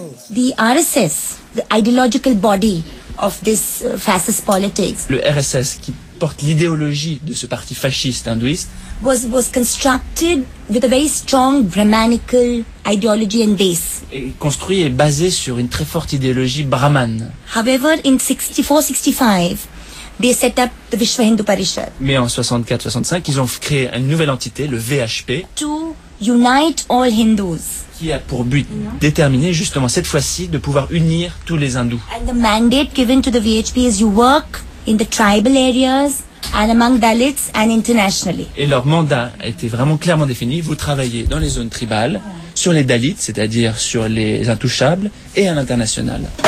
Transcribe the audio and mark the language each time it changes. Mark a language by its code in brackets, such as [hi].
[en] The RSS, the ideological body of this fascist politics. [fr] Le RSS qui porte l'idéologie de ce parti fasciste hindouiste. [en] Was constructed with a very strong brahmanical ideology and base. [fr] Et construit et basé sur une très forte idéologie brahmane. [en] However, in 64-65, they set up the Vishwa Hindu Parishad. [fr] Mais en 64-65, ils ont créé une nouvelle entité, le VHP. [en] To unite all Hindus. [fr] Qui a pour but déterminé, justement, cette fois-ci, de pouvoir unir tous les hindous. [en] And the mandate given to the VHP is you work in the tribal areas and among Dalits and internationally. [fr] Et leur mandat était vraiment clairement défini. Vous travaillez dans les zones tribales, sur les Dalits, c'est-à-dire sur les intouchables, et à l'international.